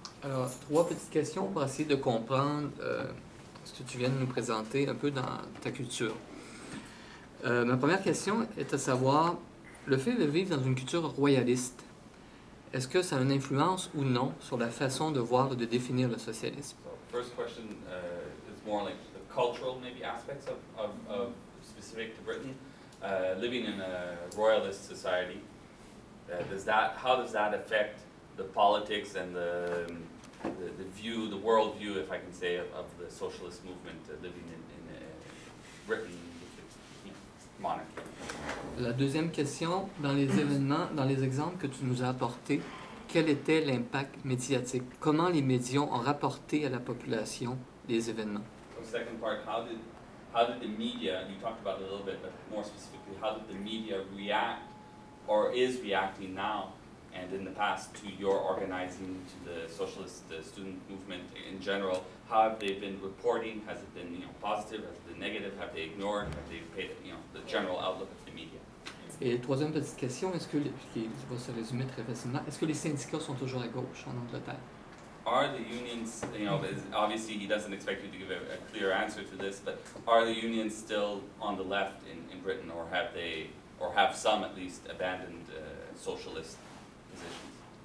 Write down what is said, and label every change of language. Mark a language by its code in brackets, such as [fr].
[fr] Alors, trois petites questions pour essayer de comprendre ce que tu viens de nous présenter un peu dans ta culture. Ma première question est à savoir, le fait de vivre dans une culture royaliste, est-ce que ça a une influence ou non sur la façon de voir et de définir le socialisme? [en] First question, more like the cultural maybe aspects of specific to Britain, living in a royalist society, how does that affect the politics and the view, the world view, if I can say, of the socialist movement living in Britain, monarchy? [fr] La deuxième question, dans les événements, dans les exemples que tu nous as apportés, quel était l'impact médiatique? Comment les médias ont rapporté à la population les événements? [en] Second part, how did the media, you talked about it a little bit, but more specifically, how did the media react or is reacting now and in the past to your organizing, to the socialist student movement in general? How have they been reporting? Has it been, you know, positive? Has it been negative? Have they ignored? Have they paid, you know, the general outlook of the media? [fr] Et troisième petite question, est-ce que, qui va se résumer très facilement, est-ce que les syndicats sont toujours à gauche en Angleterre? [en] Are the unions, you know, obviously he doesn't expect you to give a clear answer to this, but are the unions still on the left in Britain, or have they, or have some at least, abandoned socialist positions?